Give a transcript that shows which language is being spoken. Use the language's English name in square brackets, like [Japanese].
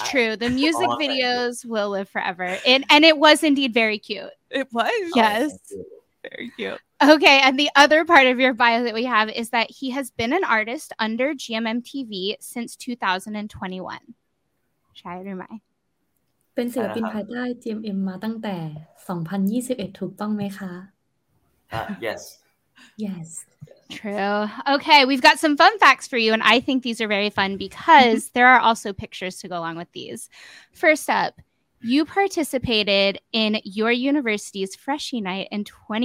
[English] It's true. The music videos will live forever. And it was indeed very cute. It was. Yes. Very cute. Okay, and the other part of your bio that we have is that he has been an artist under GMMTV since 2021. [Thai] Shai Rumai. เป็นศิลปินภายใต้ GMM มาตั้งแต่2021ถูกต้องไหมคะ [English] Yes. Yes. True. Okay, we've got some fun facts for you, and I think these are very fun because there are also pictures to go along with these. First up, you participated in your university's Freshie Night in 2015.